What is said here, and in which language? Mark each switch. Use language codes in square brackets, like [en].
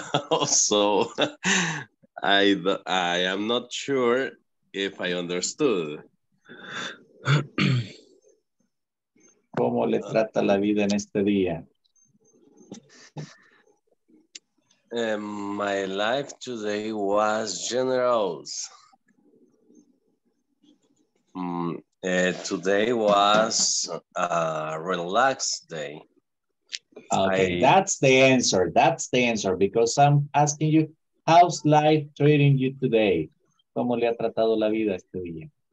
[en] Also, I am not sure if I understood. [es] ¿Cómo le trata la vida en este día? [en] My life today was generous. Today was a relaxed day. Okay, that's the answer. That's the answer because I'm asking you, how's life treating you today? [es] ¿Cómo le ha tratado la vida este día?